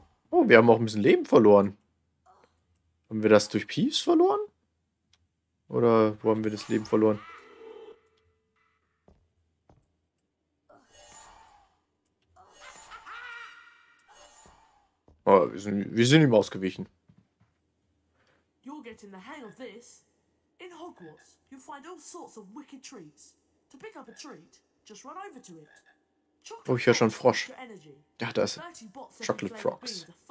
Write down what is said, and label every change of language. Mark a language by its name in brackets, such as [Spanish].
[German] Oh, wir haben auch ein bisschen Leben verloren. Haben wir das durch Peeves verloren? Oder wo haben wir das Leben verloren? Oh, wir sind ihm ausgewichen. [English] You're getting the hang of this. In Hogwarts, you'll find all sorts of wicked treats. To pick up a treat, just run over to it. [German] Oh, ich höre schon Frosch. Ja, da ist Chocolate Frogs.